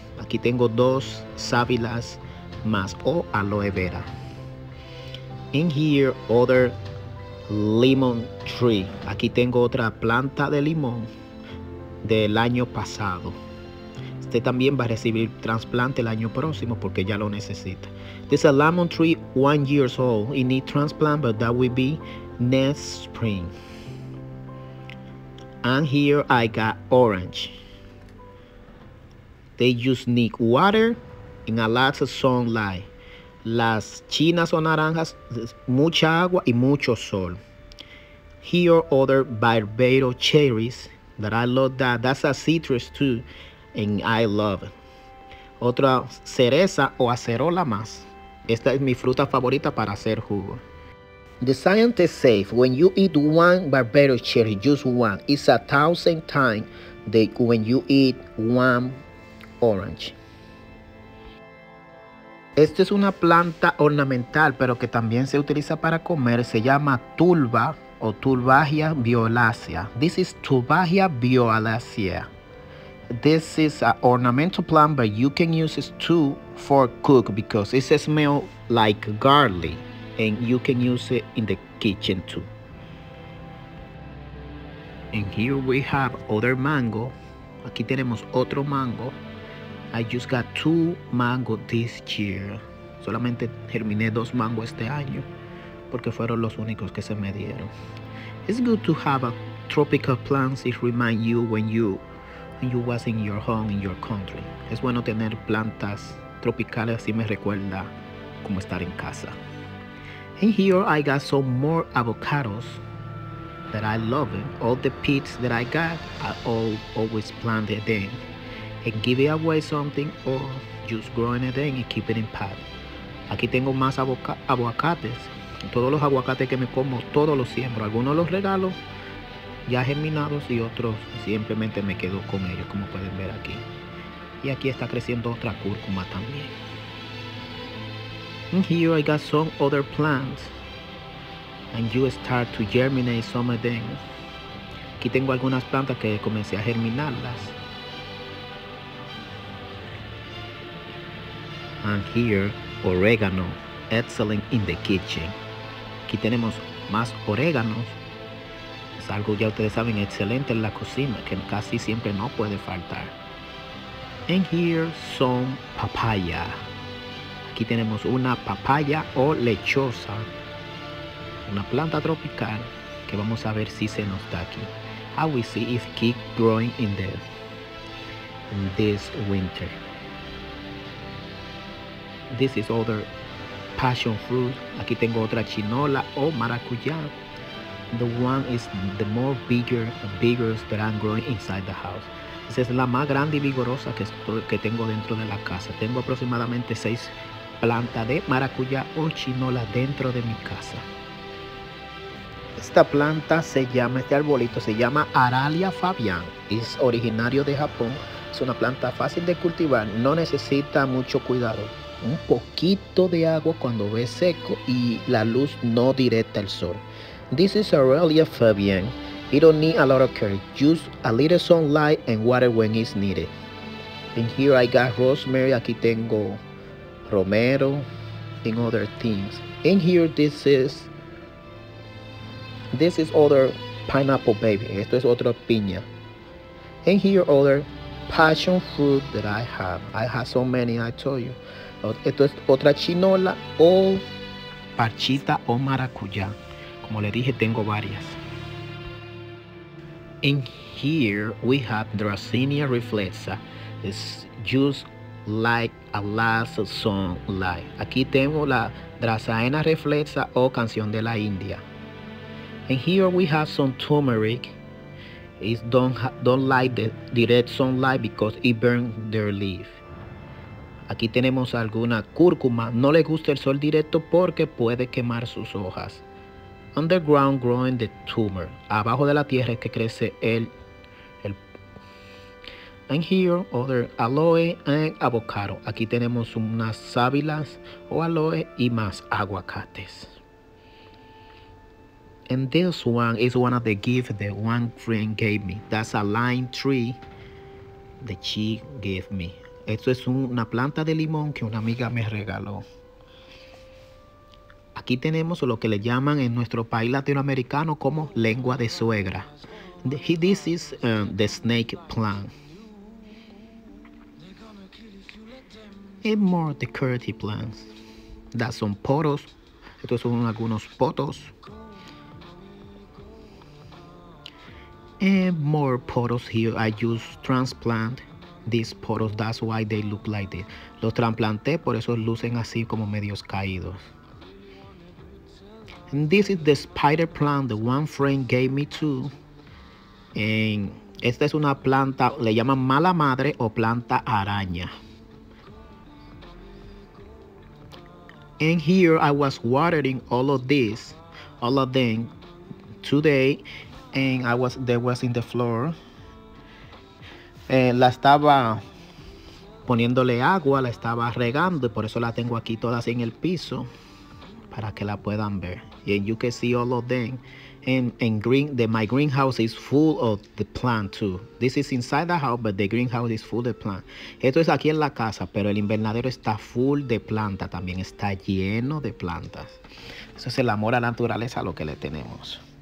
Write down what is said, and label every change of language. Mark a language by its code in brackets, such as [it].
[es] Aquí tengo dos sábilas más o aloe vera. [en] In here, other lemon tree. [es] Aquí tengo otra planta de limón del año pasado. Este también va a recibir trasplante el año próximo porque ya lo necesita. [en] This is a lemon tree 1 year old. It need transplant, but that will be next spring. And here I got orange. They just need water and a lot of sunlight. [es] Las chinas o naranjas, mucha agua y mucho sol. [en] Here other Barbados cherries that I love that. That's a citrus too. And I love it. [es] Otra cereza o acerola más. Esta es mi fruta favorita para hacer jugo. [en] The scientist says when you eat one Barbados cherry, just one, it's 1,000 times the when you eat one orange. [es] Esta es una planta ornamental, pero que también se utiliza para comer. Se llama tulba o Tulbagia violacea. [en] This is Tulbagia violacea. This is an ornamental plant, but you can use it too for cook because it smells like garlic and you can use it in the kitchen too. And here we have other mango. [es] Aquí tenemos otro mango. [en] I just got 2 mango this year. [es] Solamente germiné 2 mango este año porque fueron los únicos que se me dieron. [en] It's good to have a tropical plants. It remind you when you was in your home, in your country. [es] Es bueno tener plantas tropicales, así me recuerda como estar en casa. [en] And here I got some more avocados that I love. All the peats that I got, I always planted them and give it away something or just growing it in and keep it in pot. [es] Aquí tengo más aguacates. Todos los aguacates que me como, todos los siembro. Algunos los regalo ya germinados y otros simplemente me quedo con ellos, como pueden ver aquí. Y aquí está creciendo otra cúrcuma también. [en] And here I got some other plants and you start to germinate some of them. [es] Aquí tengo algunas plantas que comencé a germinarlas. [en] And here, orégano, excellent in the kitchen. [es] Aquí tenemos más oréganos. Es algo ya ustedes saben, excelente en la cocina, que casi siempre no puede faltar. [en] And here, some papaya. [es] Aquí tenemos una papaya o lechosa. Una planta tropical, que vamos a ver si se nos da aquí. [en] I will see if keep growing in this winter. This is other passion fruit. [es] Aquí tengo otra chinola o maracuyá. [en] The one is the more bigger that I'm growing inside the house. [es] Esa es la más grande y vigorosa que tengo dentro de la casa. Tengo aproximadamente 6 plantas de maracuyá o chinola dentro de mi casa. Esta planta se llama, este arbolito se llama Aralia Fabian. Es originario de Japón. Es una planta fácil de cultivar. No necesita mucho cuidado. Un poquito de agua cuando ve seco y la luz no directa al sol. [en] This is Aurelia Fabian. You don't need a lot of curry, just a little sunlight and water when it's needed. And here I got rosemary, [es] aquí tengo romero, [en] and other things. And here this is other pineapple baby, [es] esto es otra piña. [en] And here other passion fruit that I have so many, I told you. [es] Esto es otra chinola o parchita o maracuyá, como le dije tengo varias. [en] In here we have Dracaena reflexa. It's just like a last song light. [es] Aquí tengo la Dracaena reflexa o canción de la India. [en] And here we have some turmeric. It don't like the direct sunlight because it burns their leaf. [es] Aquí tenemos alguna cúrcuma. No le gusta el sol directo porque puede quemar sus hojas. Underground growing the tumor. Abajo de la tierra es que crece el. [en] And here other aloe and avocado. [es] Aquí tenemos unas sábilas o aloe y más aguacates. [en] And this one is one of the gifts that one friend gave me. That's a lime tree that she gave me. [es] Esto es una planta de limón que una amiga me regaló. Aquí tenemos lo que le llaman en nuestro país latinoamericano como lengua de suegra. [en] This is the snake plant. And more decorative plants. That's some potos. [es] Estos son algunos potos. [en] And more potos here. I just transplant these potos. That's why they look like this. [es] Los transplanté, por eso lucen así como medios caídos. [en] And this is the spider plant that one friend gave me too. [es] And esta es una planta, le llaman mala madre o planta araña. [en] And here I was watering all of them today. And they was in the floor. [es] La estaba poniéndole agua, la estaba regando, y por eso la tengo aquí todas en el piso para que la puedan ver. [en] And you can see all of them. My greenhouse is full of the plant too. This is inside the house, but the greenhouse is full of plant. [es] Esto es aquí en la casa, pero el invernadero está full de planta también. Está lleno de plantas. Eso es el amor a la naturaleza lo que le tenemos.